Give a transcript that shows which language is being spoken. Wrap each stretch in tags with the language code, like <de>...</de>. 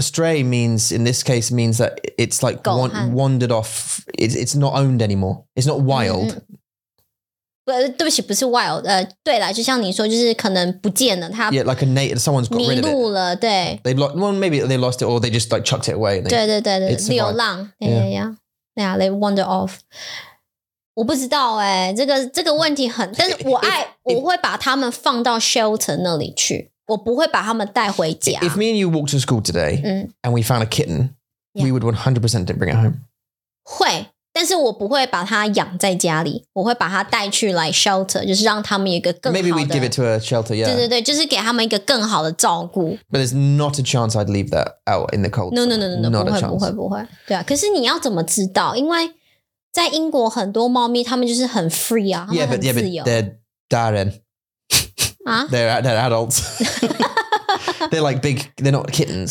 <en>Stray means, in this case, means that it's like wandered off, it's not owned anymore. It's not wild.</en> <zh>对不起, 不是 wild, 对啦, 就像你说, 就是可能不见了, 它迷路了,</zh> <en>yeah, like a native, someone's got rid of it.</en> <zh>对,</zh> <en>they've lost, well, maybe they lost it, or they just like chucked it away. And they,</en> <zh>对, 流浪,</zh> <en>yeah, they wander off.</en> <zh>我不知道欸, 这个问题很, 但是我爱, it, 我会把他们放到 shelter 那里去, 我不会把他们带回家。</zh> <en>If me and you walked to school today, and we found a kitten, we would 100% bring it home.</en> <zh>会。但是我不会把它养在家里，我会把它带去 like shelter， 就是让他们有一个更好的。</zh> <en>Maybe we'd give it to a shelter. Yeah.</en> <zh>对对对，就是给他们一个更好的照顾。</zh> <en>But there's not a chance I'd leave that out in the cold. No, not a chance.</en> <zh>不会不会不会。对啊，可是你要怎么知道？因为在英国很多猫咪，它们就是很 free 啊，它们很自由。</zh> <en>Yeah, but they're darren. 啊？They're adults. They're like big, they're not kittens.</en>